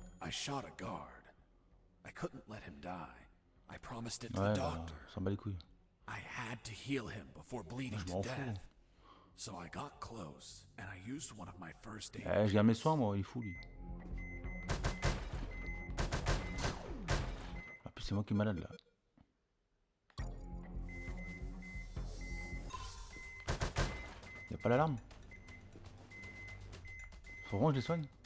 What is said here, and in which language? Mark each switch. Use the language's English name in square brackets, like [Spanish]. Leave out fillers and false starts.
[English] Shot a guard. I couldn't let him die. I promised it to ouais, the doctor. [French] Bah, s'en bat les couilles. [English] I had to heal him before bleeding to death. So I got close and I used one of my first aid. [French] Eh, j'ai mes soins, moi, il est fou lui. Ah, puis c'est moi qui est malade là. Y'a pas l'alarme. Faut vraiment que je les soigne.